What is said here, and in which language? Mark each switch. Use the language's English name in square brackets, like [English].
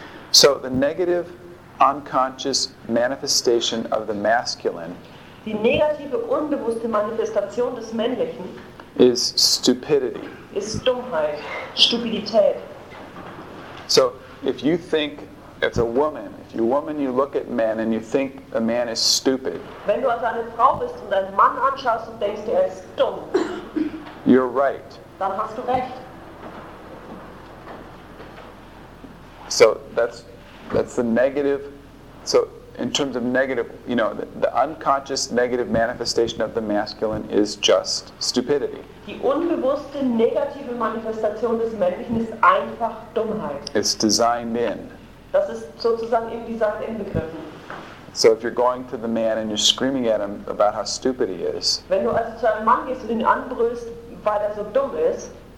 [English] So the negative unconscious manifestation of the masculine, [German] die negative unbewusste Manifestation des Männlichen, [English] is stupidity. [German] Ist Dummheit, Stupidität. [English] So if you think it's a woman, if you're a woman, you look at men and you think a man is stupid. [German] Wenn du also eine Frau bist und einen Mann anschaust und denkst, er ist dumm. [English] You're right. [German] Dann hast du recht. [English] So that's the negative. So in terms of negative, you know, the unconscious negative manifestation of the masculine is just stupidity. [German] Die unbewusste negative Manifestation des Männlichen ist einfach Dummheit. [English] It's designed in. [German] Das ist sozusagen eben die Sache inbegriffen. [English] So if you're going to the man and you're screaming at him about how stupid he is. [German] Wenn du also zu einem Mann gehst und ihn anbrüllst, weil er so dumm ist.